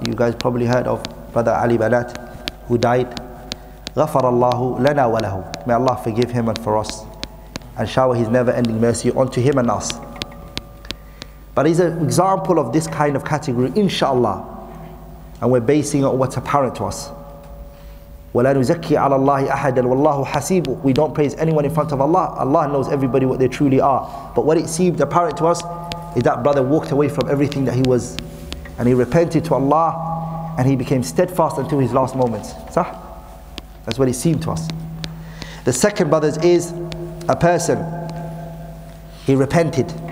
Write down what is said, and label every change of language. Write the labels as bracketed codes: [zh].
[en] You guys probably heard of Brother Ali Banat, who died. [ar] غفر الله لنا وله. [en] May Allah forgive him and for us, and shower His never-ending mercy onto him and us. But he's an example of this kind of category, inshallah. And we're basing it on what's apparent to us. [ar] ولا نزكي على الله أحدا والله حسيب. [en] We don't praise anyone in front of Allah. Allah knows everybody what they truly are. But what it seemed apparent to us is that brother walked away from everything that he was, and he repented to Allah, and he became steadfast until his last moments. [ar] صح? [en] That's what it seemed to us. The second, brothers, is a person. He repented.